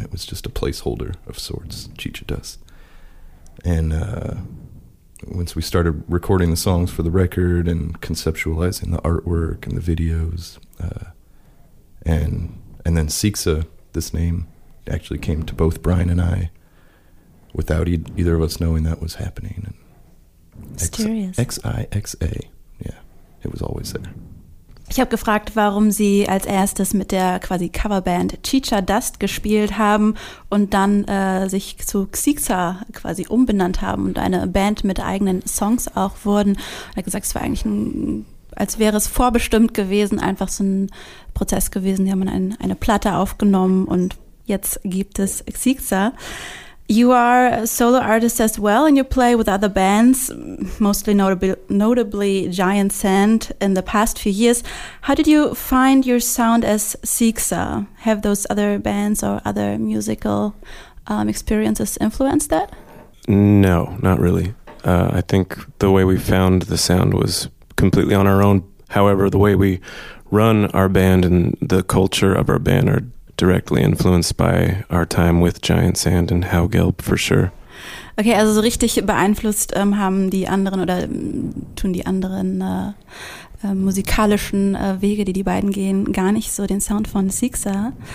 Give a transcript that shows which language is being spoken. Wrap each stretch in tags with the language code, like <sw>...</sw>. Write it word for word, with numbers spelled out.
<en>It was just a placeholder of sorts, Chicha Dust. And uh, once we started recording the songs for the record and conceptualizing the artwork and the videos, uh, and and then Sixa, this name actually came to both Brian and I without e- either of us knowing that was happening. And mysterious. X- X-I X A, yeah, it was always there.</en> <de>Ich habe gefragt, warum sie als erstes mit der quasi Coverband Chicha Dust gespielt haben und dann äh, sich zu Sixa quasi umbenannt haben und eine Band mit eigenen Songs auch wurden. Er hat gesagt, es war eigentlich ein, als wäre es vorbestimmt gewesen, einfach so ein Prozess gewesen. Die haben ein, eine Platte aufgenommen und jetzt gibt es Sixa.</de> <en>You are a solo artist as well, and you play with other bands, mostly notably, notably Giant Sand, in the past few years. How did you find your sound as Sixa? Have those other bands or other musical um, experiences influenced that? No, not really. Uh, I think the way we found the sound was completely on our own. However, the way we run our band and the culture of our band are directly influenced by our time with Giant Sand and How Gelb for sure.</en> <de>Okay, also so richtig beeinflusst ähm, haben die anderen oder ähm, tun die anderen äh, äh, musikalischen äh, Wege, die die beiden gehen, gar nicht so den Sound von Sixa.</de>